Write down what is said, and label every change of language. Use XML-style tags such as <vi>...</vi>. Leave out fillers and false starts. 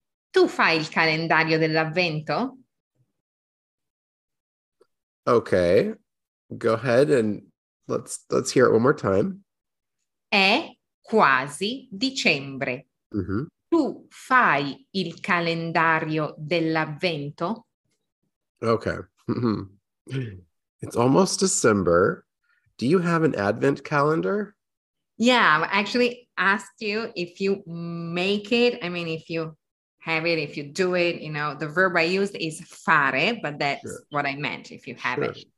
<it>Tu fai il calendario dell'avvento?</it> <en>Okay, go ahead and let's hear it one more time.</en> <it>È quasi dicembre. Mm-hmm. Tu fai il calendario dell'avvento?</it> <en>Okay. It's almost December. Do you have an advent calendar? Yeah, I actually asked you if you make it. I mean, if you have it, if you do it, you know, the verb I used is fare, but that's what I meant, if you have it.</en>